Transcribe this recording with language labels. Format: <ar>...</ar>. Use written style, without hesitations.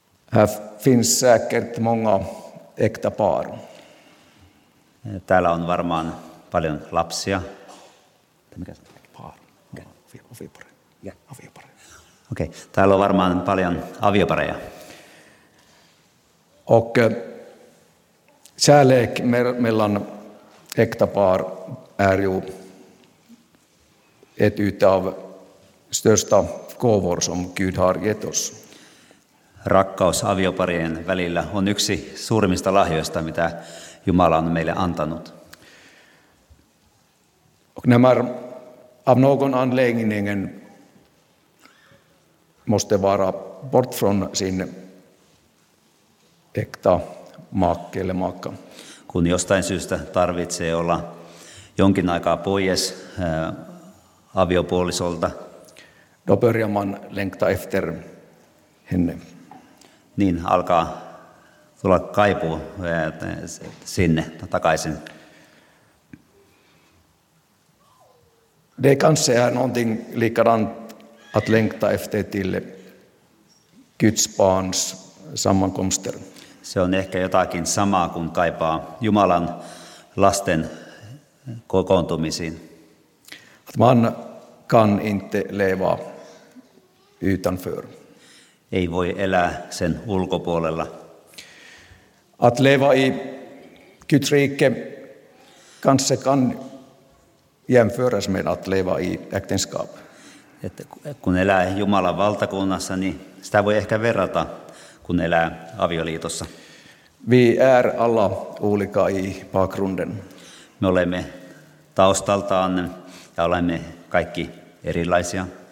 <sv>Här finns säkert många äkta par.</sv> <fi>Täällä on varmaan paljon lapsia. Mikä se</fi> <sv>par?</sv> <fi>Aviopare. Aviopare. Okei, täällä on varmaan paljon aviopareja.</fi> <sv>Och kärlek mellan äkta par är ju ett utav största gåvor som Gud har gett oss.</sv> <fi>Rakkaus avioparien välillä on yksi suurimmista lahjoista, mitä Jumala on meille antanut.</fi> <sv>Och nämä av någon anläggningen måste vara bort från sin äkta make eller maka.</sv> <fi>Kun jostain syystä tarvitsee olla jonkin aikaa pois aviopuolisolta.</fi> <sv>Då börjar man längta efter henne.</sv> <fi>Niin alkaa tulla kaipuu sinne takaisin.</fi> <sv>Det kanske är någonting likadant att längta efter till Guds barns sammankomster.</sv> <fi>Se on ehkä jotakin samaa kuin kaipaa Jumalan lasten kokoontumisiin.</fi> <sv>Att man kan inte leva utanför.</sv> <fi>Ei voi elää sen ulkopuolella.</fi> <sv>Att leva i Guds rike kanske kan jämföras med att leva i äktenskap.</sv> <fi>Että kun elää Jumalan valtakunnassa, niin sitä voi ehkä verrata, kun elää avioliitossa.</fi> <sv>Vi är alla olika i bakgrunden.</sv> <fi>Me olemme taustaltaan ja olemme kaikki erilaisia.</fi>